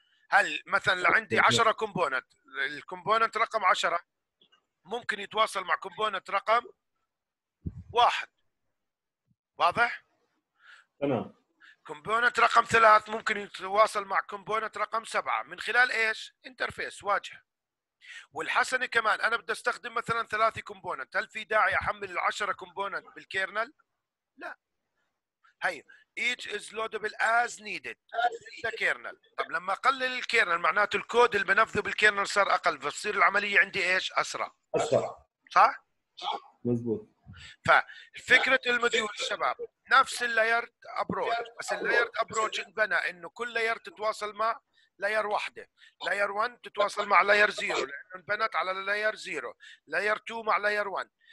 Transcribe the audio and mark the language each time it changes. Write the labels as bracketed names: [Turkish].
[Arabic] هل مثلا لو عندي 10 كومبوننت الكومبوننت رقم 10 ممكن يتواصل مع كومبوننت رقم 1 واضح؟ تمام. كومبوننت رقم 3 ممكن يتواصل مع كومبوننت رقم 7 من خلال ايش؟ انترفيس واجهه. والحسنه كمان انا بدي استخدم مثلا 3 كومبوننت، هل في داعي احمل ال10 كومبوننت بالكيرنل؟ لا. هي [English] each is loadable as needed the kernel. [Arabic] طب لما اقلل الكيرنل معناته الكود اللي بنفذه بالكيرنل صار اقل، فتصير العمليه عندي ايش؟ اسرع. اسرع. صح؟ مزبوط. ففكرة الموديول الشباب نفس اللايرد ابروتش، بس اللايرد ابروتش انبنى انه كل لاير تتواصل مع لاير واحدة، لاير 1 تتواصل مع لاير 0 لانه انبنت على لاير 0، لاير 2 مع لاير 1.